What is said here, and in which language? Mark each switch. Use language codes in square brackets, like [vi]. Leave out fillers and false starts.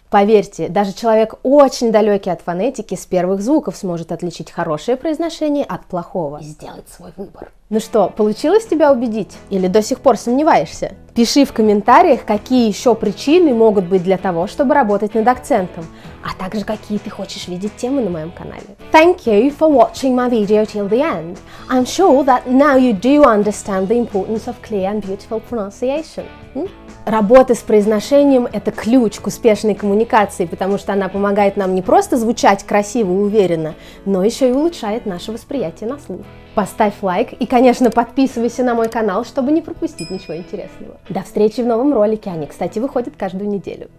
[ru] Поверьте, даже человек, очень далекий от фонетики, с первых звуков сможет отличить хорошее произношение от плохого и сделать свой выбор. Ну что, получилось тебя убедить? Или до сих пор сомневаешься? Пиши в комментариях, какие еще причины могут быть для того, чтобы работать над акцентом, а также какие ты хочешь видеть темы на моем канале. [en] Thank you for watching my video till the end. I'm sure that now you do understand the importance of clear and beautiful pronunciation. [ru] Работа с произношением – это ключ к успешной коммуникации, потому что она помогает нам не просто звучать красиво и уверенно, но еще и улучшает наше восприятие на слух. Поставь лайк и, конечно, подписывайся на мой канал, чтобы не пропустить ничего интересного. До встречи в новом ролике, они, кстати, выходят каждую неделю.